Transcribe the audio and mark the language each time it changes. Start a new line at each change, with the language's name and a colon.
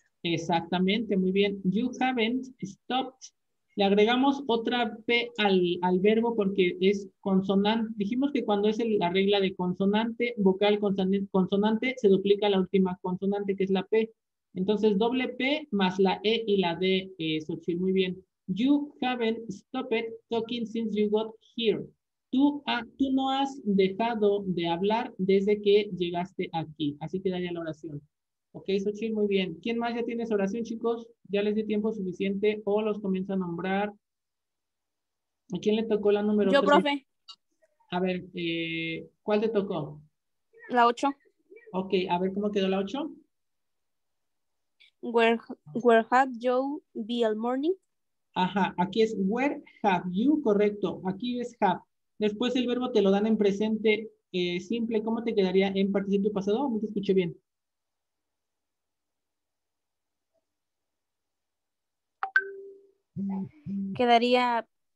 Spanish: Exactamente. Muy bien.
English: You haven't stopped.
Spanish: Le agregamos otra P al verbo porque es consonante. Dijimos que cuando es la regla de consonante, vocal, consonante, se duplica la última consonante, que es la P. Entonces, doble P más la E y la D, Xochitl. Muy bien.
English: You haven't stopped talking since you got here.
Spanish: Tú no has dejado de hablar desde que llegaste aquí. Así quedaría la oración. Ok, Xochitl, muy bien. ¿Quién más ya tiene esa oración, chicos? ¿Ya les di tiempo suficiente o los comienzo a nombrar? ¿A quién le tocó la número 3? Yo, profe. A ver, ¿cuál te tocó? La 8. Ok, a ver, ¿cómo quedó la 8?
English: Where have you been all morning?
Spanish: Ajá, aquí es
English: where have you,
Spanish: correcto. Aquí es have. Después el verbo te lo dan en presente simple. ¿Cómo te quedaría en participio pasado? No te escuché bien. Quedaría.